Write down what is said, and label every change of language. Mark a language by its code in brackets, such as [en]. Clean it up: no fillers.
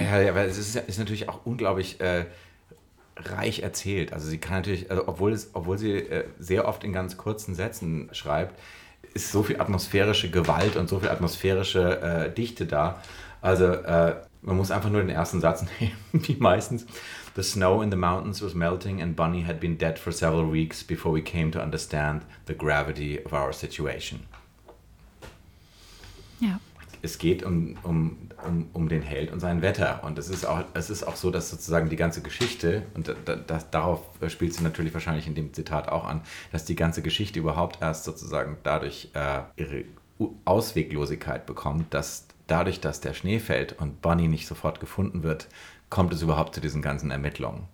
[de] Ja, weil es ist natürlich auch unglaublich reich erzählt. Also sie kann natürlich, also obwohl sie sehr oft in ganz kurzen Sätzen schreibt, ist so viel atmosphärische Gewalt und so viel atmosphärische Dichte da. Also man muss einfach nur den ersten Satz nehmen, wie meistens. [en] The snow in the mountains was melting and Bunny had been dead for several weeks before we came to understand the gravity of our situation. [de] Ja. Es geht um den Held und sein Wetter. Und es ist auch so, dass sozusagen die ganze Geschichte, und darauf spielt sie natürlich wahrscheinlich in dem Zitat auch an, dass die ganze Geschichte überhaupt erst sozusagen dadurch ihre Ausweglosigkeit bekommt, dass dadurch, dass der Schnee fällt und Bunny nicht sofort gefunden wird, kommt es überhaupt zu diesen ganzen Ermittlungen.